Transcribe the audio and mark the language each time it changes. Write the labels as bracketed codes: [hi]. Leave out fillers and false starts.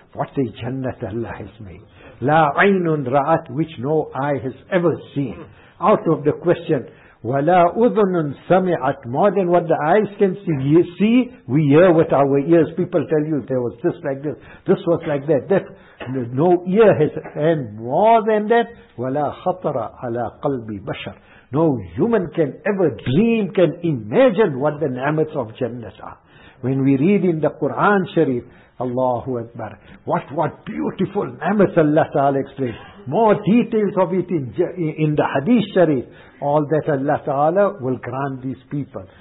[en] What a jannat Allah has made. [ar] La aynun ra'at, [en] which no eye has ever seen. Out of the question, [ar] ولا أذن سمعت. [en] More than what the eyes can see, see, we hear with our ears. People tell you there was this like this, this was like that. That no ear has. And more than that, [ar] ولا خطر على قلب بشر. [en] No human can ever dream, can imagine what the ni'mats of Jannah are. When we read in the Quran Sharif, Allahu Akbar, what beautiful ni'mats Allah Ta'ala explains. More details of it in the Hadith Sharif. All that Allah Ta'ala will grant these people.